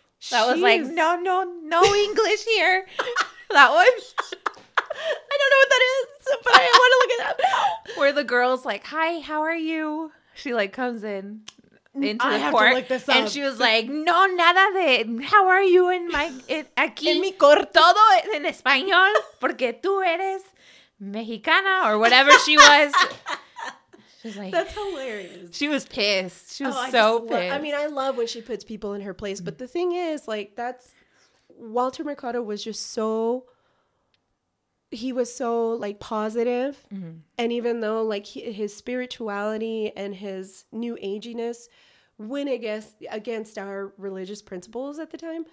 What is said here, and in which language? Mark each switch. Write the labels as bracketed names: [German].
[English] That was like, no English here. That one. I don't know what that is, but I want to look it up. Where the girl's like, hi, how are you? She like comes in into the court. To look this up. And she was like, no, [Spanish] nada de, [English] how are you in my, [Spanish] aquí? En mi corte. Todo en español, porque tú eres Mexicana [English] or whatever she was. She's like, that's hilarious. She was pissed. She was pissed. I mean, I love when she puts people in her place. But the thing is, like, that's Walter Mercado was just so, he was so, like, positive. Mm-hmm. And even though, like, his spirituality and his new aginess went against our religious principles at the time.